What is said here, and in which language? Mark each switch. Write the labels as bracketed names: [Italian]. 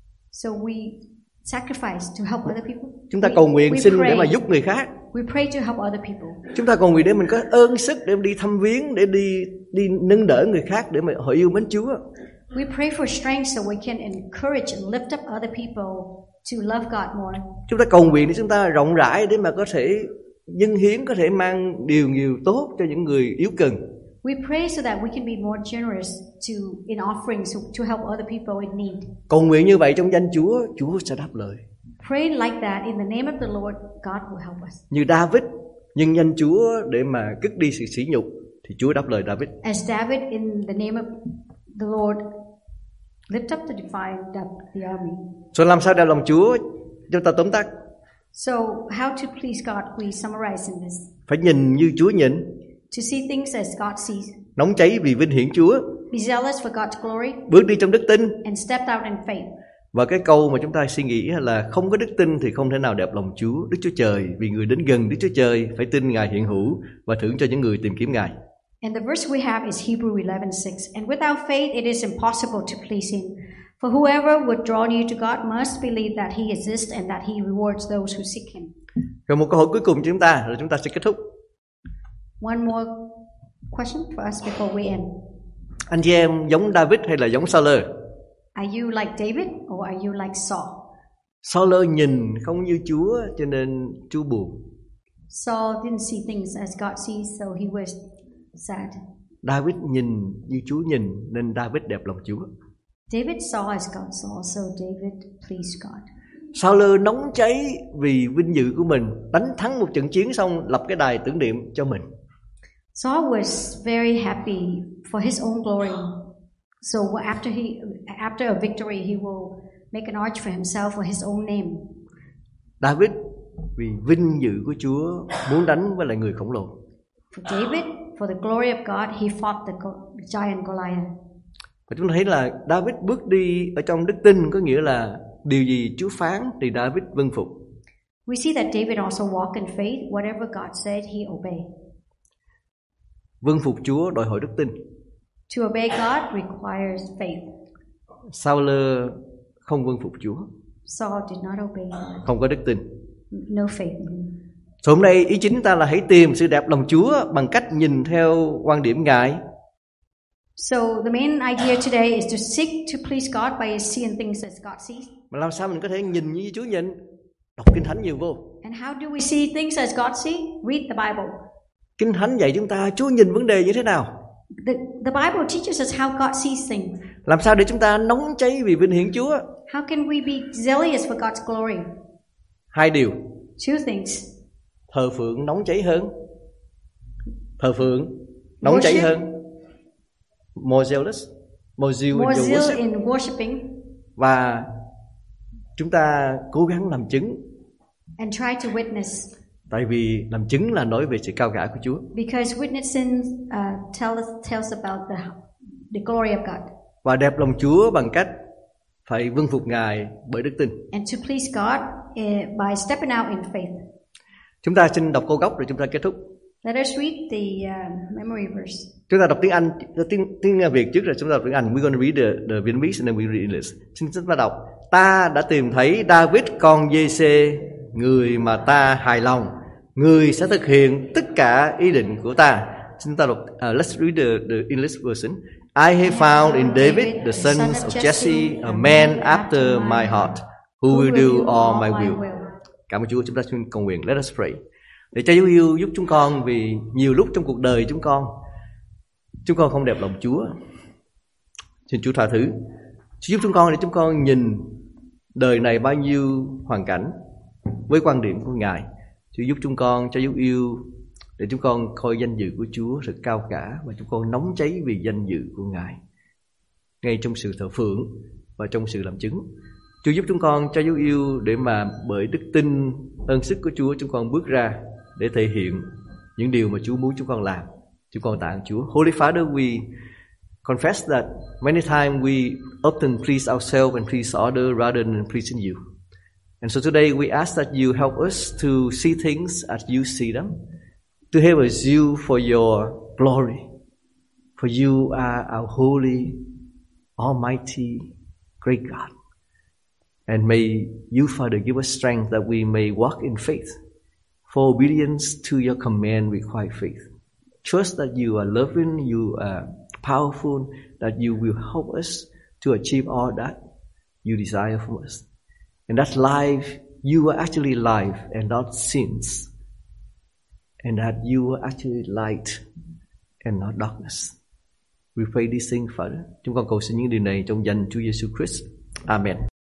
[English] So we sacrifice to help other people. [Vietnamese] Chúng ta cầu nguyện xin để mà giúp người khác. [English] We pray to help other people. [Vietnamese] Chúng ta cầu nguyện để mình có ơn sức để đi thăm viếng, để đi nâng đỡ người khác, để mà họ yêu mến Chúa. [English] We pray for strength so we can encourage and lift up other people to love God more. [Vietnamese] Chúng ta cầu nguyện để chúng ta rộng rãi để mà có thể dâng hiến, có thể mang điều nhiều tốt cho những người yếu cần. [English] We pray so that we can be more generous in offering to help other people in need. [Vietnamese] Cầu nguyện như vậy trong danh Chúa, Chúa sẽ đáp lời. [English] Pray like that in the name of the Lord, God will help us. [Vietnamese] Như David, nhân danh Chúa để mà cất đi sự sỉ nhục thì Chúa đáp lời David. [English] As David in the name of the Lord lift up the defiant of the army. [Vietnamese] So làm sao đeo lòng Chúa? Chúng ta tóm tắt. [English] So how to please God, we summarize in this. [Vietnamese] Phải nhìn như Chúa nhìn. [English] To see things as God sees. [Vietnamese] Nóng cháy vì vinh hiển Chúa. [English] Be zealous for God's glory. [Vietnamese] Bước đi trong đức tin. [English] And step out in faith. [Vietnamese] Và cái câu mà chúng ta suy nghĩ là không có đức tin thì không thể nào đẹp lòng Chúa, Đức Chúa Trời, vì người đến gần Đức Chúa Trời phải tin Ngài hiện hữu và thưởng cho những người tìm kiếm Ngài. [English] And the verse we have is Hebrews 11:6. And without faith it is impossible to please him. For whoever would draw near to God must believe that he exists and that he rewards those who seek him. [Vietnamese] Rồi một câu hỏi cuối cùng cho chúng ta rồi chúng ta sẽ kết thúc. [English] One more question for us before we end. [Vietnamese] Anh chị em giống David hay là giống Saul? [English] Are you like David or are you like Saul? [Vietnamese] Saul nhìn không như Chúa cho nên Chúa buồn. [English] Saul didn't see things as God sees, so he was sad. [Vietnamese] David nhìn như Chúa nhìn nên David đẹp lòng Chúa. [English] David saw as God saw, so David pleased God. [Vietnamese] Saul nóng cháy vì vinh dự của mình, đánh thắng một trận chiến xong lập cái đài tưởng niệm cho mình. [English] Saul was very happy for his own glory. So after a victory, he will make an arch for himself for his own name. [Vietnamese] David vì vinh dự của Chúa muốn đánh với lại người khổng lồ. [English] For David, for the glory of God, he fought the giant Goliath. [Vietnamese] Và chúng ta thấy là David bước đi ở trong đức tin, có nghĩa là điều gì Chúa phán thì David vâng phục. [English] We see that David also walked in faith. Whatever God said, he obeyed. [Vietnamese] Vâng phục Chúa đòi hỏi đức tin. [English] To obey God requires faith. [Vietnamese] Saul không vâng phục Chúa. [English] Saul did not obey God. [Vietnamese] Không có đức tin. [English] No faith. [Vietnamese] So hôm nay ý chính ta là hãy tìm sự đẹp lòng Chúa bằng cách nhìn theo quan điểm Ngài. [English] So the main idea today is to seek to please God by seeing things as God sees. [Vietnamese] Mà làm sao mình có thể nhìn như Chúa nhìn? Đọc Kinh Thánh nhiều vô. [English] And how do we see things as God sees? Read the Bible. [Vietnamese] Kinh Thánh dạy chúng ta Chúa nhìn vấn đề như thế nào? [English] The Bible teaches us how God sees things. [Vietnamese] Làm sao để chúng ta nóng cháy vì vinh hiển Chúa? [English] How can we be zealous for God's glory? [Vietnamese] Hai điều. [English] Two things. [Vietnamese] Thờ phượng nóng cháy hơn. Thờ phượng nóng cháy hơn. [English] More zealous. More zeal more in, worship. In worshiping. [Vietnamese] Và chúng ta cố gắng làm chứng. [English] And try to witness. [Vietnamese] Tại vì làm chứng là nói về sự cao cả của Chúa. [English] Because witnessing tells about the glory of God. [Vietnamese] Và đẹp lòng Chúa bằng cách phải vâng phục Ngài bởi đức tin. [English] And to please God by stepping out in faith. [Vietnamese] Chúng ta xin đọc câu gốc rồi chúng ta kết thúc. [English] Let us read the memory verse. [Vietnamese] Chúng ta đọc tiếng Anh, tiếng Việt trước rồi chúng ta đọc tiếng Anh. [English] We're going to read the Vietnamese and then we read English. [Vietnamese] Xin chúng ta đọc. Ta đã tìm thấy David con Jesse, người mà ta hài lòng. Người sẽ thực hiện tất cả ý định của ta. Xin ta đọc. [English] Let's read the English version. I have found in David, the son of Jesse, a man after my heart, who will do all my will. [Vietnamese] Cảm ơn Chúa, chúng ta xin cầu nguyện. [English] Let us pray. [Vietnamese] Để Cha yêu yêu giúp chúng con, vì nhiều lúc trong cuộc đời chúng con không đẹp lòng Chúa. Xin Chúa tha thứ. Chúa giúp chúng con để chúng con nhìn đời này bao nhiêu hoàn cảnh với quan điểm của Ngài. Chúa giúp chúng con, Cha giúp yêu, để chúng con coi danh dự của Chúa thật cao cả và chúng con nóng cháy vì danh dự của Ngài. Ngay trong sự thờ phượng và trong sự làm chứng. Chúa giúp chúng con, Cha giúp yêu, để mà bởi đức tin, ân sức của Chúa chúng con bước ra để thể hiện những điều mà Chúa muốn chúng con làm. Chúng con tạ ơn Chúa. [English] Holy Father, we confess that many times we often please ourselves and please others rather than pleasing you. And so today we ask that you help us to see things as you see them, to have a zeal for your glory, for you are our holy, almighty, great God. And may you, Father, give us strength that we may walk in faith. For obedience to your command requires faith. Trust that you are loving, you are powerful, that you will help us to achieve all that you desire from us. And that life, you are actually life and not sins. And that you are actually light and not darkness. We pray these things, Father. [Vietnamese] Chúng con cầu xin những điều này trong danh Chúa Jesus Christ. Amen.